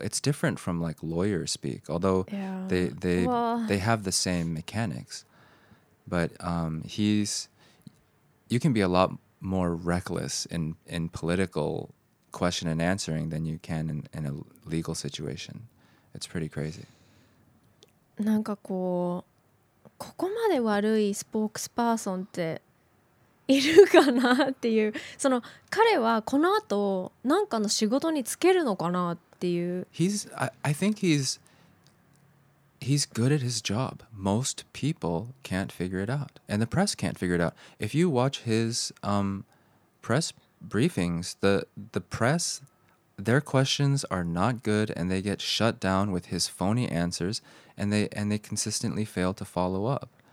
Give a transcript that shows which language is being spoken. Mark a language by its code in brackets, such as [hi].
[en] It's different from like lawyer speak, although they have the same mechanics. But you can be a lot more reckless in political question and answering than you can in a legal situation. It's pretty crazy. [ja] なんかこうここまで悪いスポークスパーソンっているかなっていう、その彼はこの後なんかの仕事につけるのかなっていう。 [en] I think he's good at his job. Most people can't figure it out, and the press can't figure it out. If you watch his press briefings, the press, their questions are not good, and they get shut down with his phony answers, and they consistently fail to follow up.